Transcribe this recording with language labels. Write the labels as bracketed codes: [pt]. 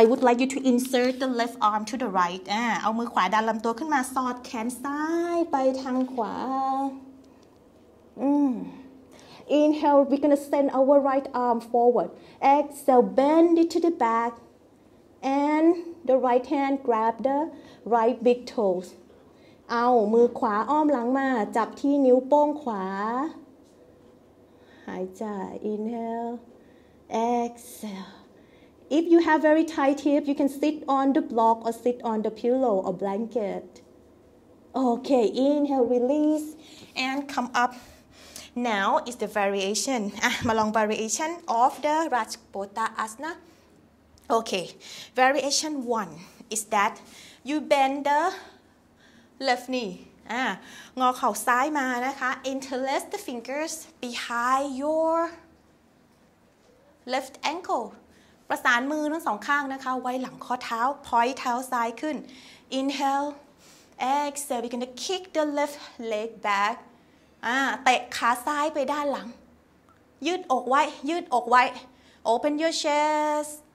[en] I would like you to insert the left arm to the right. [th] เอามือขวาดันลำตัวขึ้นมาสอดแขนซ้ายไปทางขวา [en] Inhale, we're gonna send our right arm forward. Exhale, bend it to the back. And the right hand grab the right big toes. [th] เอามือขวาอ้อมหลังมาจับที่นิ้วโป้งขวาหายใจ Inhale, exhale. [en] If you have very tight hip, you can sit on the block or sit on the pillow or blanket. Okay, inhale, release. And come up. Now is the variation. [th] มาลอง variation of the Rajputasana. [en] Okay, variation one is that you bend the left knee. [th] งอเข่าซ้ายมานะคะ [en] interlace the fingers behind your left ankle. [th] ประสานมือทั้งสองข้างนะคะไว้หลังข้อเท้า point เท้าซ้ายขึ้น [en] Inhale, exhale. We're gonna kick the left leg back. [th] เตะขาซ้ายไปด้านหลังยืดอกไว้ยืดอกไว้ [en] open your chest